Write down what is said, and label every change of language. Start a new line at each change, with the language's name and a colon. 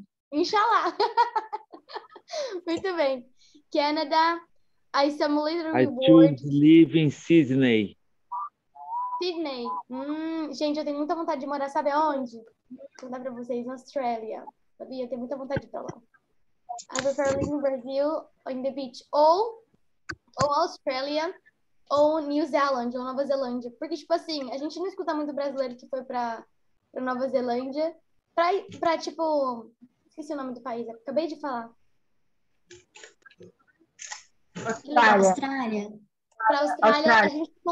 Portuguese: Inshallah. Muito bem. Canada.
English: I some little reward. I choose live in Sydney. Sydney.
Portuguese: Gente, eu tenho muita vontade de morar, sabe aonde? Vou contar pra vocês, na Austrália. Sabia? Eu tenho muita vontade de ir lá.
English: I prefer living in Brazil, on the beach.
Portuguese: Ou Australia. Ou New Zealand, ou Nova Zelândia. Porque, tipo assim, a gente não escuta muito brasileiro que foi pra Nova Zelândia. Pra, tipo... Esqueci o nome do país, acabei de falar. Austrália. Pra Austrália, Austrália.